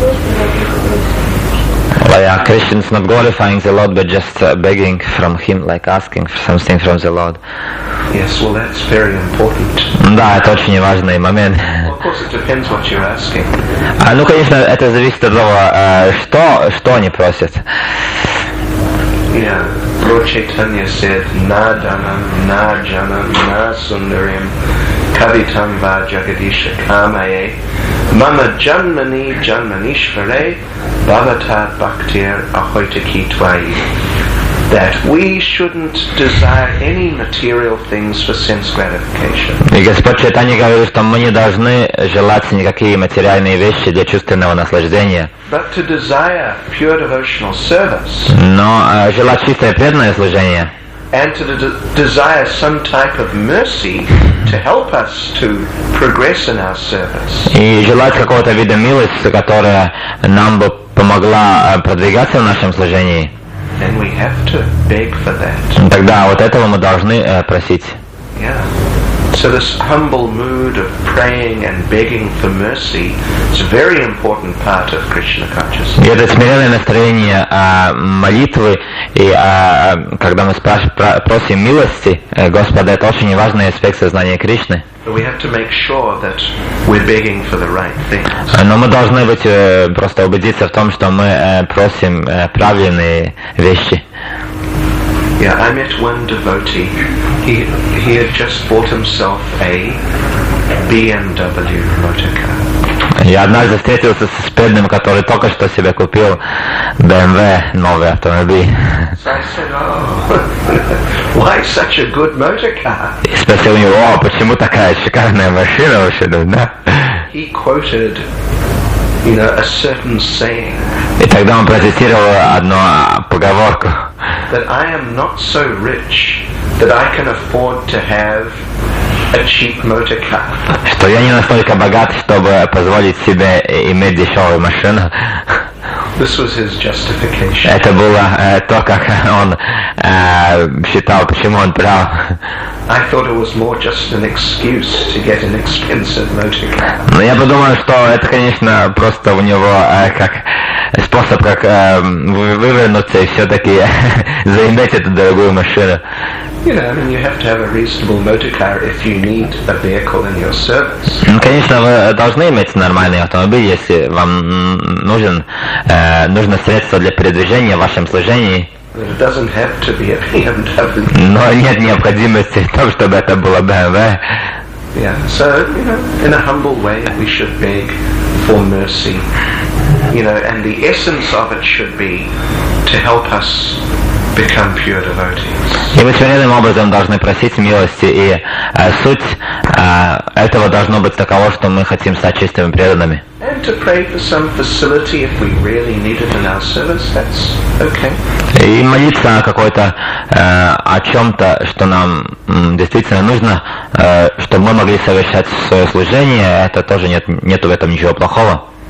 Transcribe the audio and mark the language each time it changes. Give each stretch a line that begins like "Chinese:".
English: Well, yeah, Krishna's not glorifying the Lord, but just begging from Him, like asking for something from the Lord. Yes, well, that's very important.
Russian: Да, это очень важный момент.
English: Of course, it depends what you're asking.
Russian: Ну, конечно, это зависит от того, что они просят.
English: Yeah, Lord Chaitanya said,
Sanskrit: na dhanam, na janam, na sundariam, kavitam va jagadisha kamaye, mama janmani janmanishvare, bhavata bhaktir ahoitaki twai.
English: That we shouldn't desire any material things for sense gratification.
Russian: И Господь Чайтанья говорит, что мы не должны желать никакие материальные вещи для чувственного наслаждения.
English: But to desire pure devotional service.
Russian: Но желать чистое преданное служение.
English: And to desire some type of mercy to help us to progress in our service.
Russian: И желать какого-то вида милости, которая нам бы помогла продвигаться в нашем служении.
English: Then we have to beg for that.
Russian: Тогда вот этого мы должны просить.
English: Yeah. So this humble mood of praying and begging for mercy is a very important part of Krishna consciousness.
Russian: Это смиренное настроение молитвы и когда мы просим милости Господа, это очень важный аспект сознания Кришны.
English: We have to make sure that we're begging for the right things.
Russian: Но мы должны быть просто убедиться в том, что мы просим правильные вещи.
English: Yeah, I met one devotee. He had just bought himself a BMW motor car.
Russian: Я однажды встретился с преданным, который только что себе купил BMW, новый автомобиль.
English: So I said, oh, why such a good motor car?
Russian: И спросил у него, о, почему такая шикарная машина вообще, да?
English: He quoted, you know, a certain saying.
Russian: И тогда он процитировал одну поговорку.
English: That I am not so rich that I can afford to have a cheap motor car.
Russian: Что я не настолько богат, чтобы позволить себе иметь дешевую машину.
English: This was his justification.
Russian: Это было то, как он считал, почему он прав.
English: I thought it was more just an excuse to get an expensive motor car.
Russian: Но я подумал, что это, конечно, просто у него как способ, как вывернуться и все-таки заиметь эту дорогую машину.
English: you have to have a reasonable motor car if you need a vehicle in your service.
Russian: Конечно, вы должны иметь нормальный автомобиль, если вам нужен нужно средство для передвижения в вашем служении.
English: It doesn't have to be a BMW.
Russian: Но нет необходимости в том, чтобы это было BMW.
English: Yeah, so, you know, in a humble way, we should beg for mercy. You know, and the essence of it should be to help us become pure devotees.
Russian: И мы смиренным образом должны просить милости, и суть этого должно быть таково, что мы хотим стать чистыми и преданными.
English: And to pray for some facility if we really need it in our service, that's okay.
Russian: И молиться о какой-то о чем-то, что нам действительно нужно, чтобы мы могли совершать свое служение, это тоже нету в этом ничего плохого.